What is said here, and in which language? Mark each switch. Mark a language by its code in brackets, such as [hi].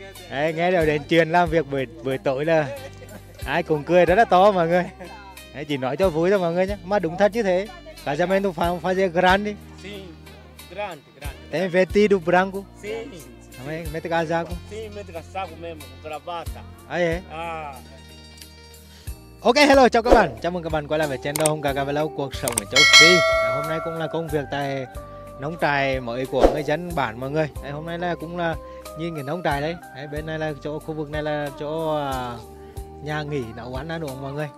[vi] Đấy, nghe đều đến truyền làm việc buổi buổi tối là ai cũng cười rất là to mọi người. Đấy, chỉ nói cho vui thôi mọi người nhé. Mà đúng thật như thế. [pt] Casamento fazer grande. Sim, grande, Tem vestido branco? Sim. Também, mete casaco? Sim, mete casaco mesmo, com gravata. Aí é? [en] Ok, hello, [vi] chào các bạn. Chào mừng các bạn quay lại với channel Hồng Cà Cà Vlog, cuộc sống ở châu Phi. À, hôm nay cũng là công việc tại nông trại mới của người dân bản mọi người. À, hôm nay là cũng là nhìn cái nông trại đấy. À, bên này là chỗ khu vực này là chỗ nhà nghỉ nấu ăn ăn uống mọi người.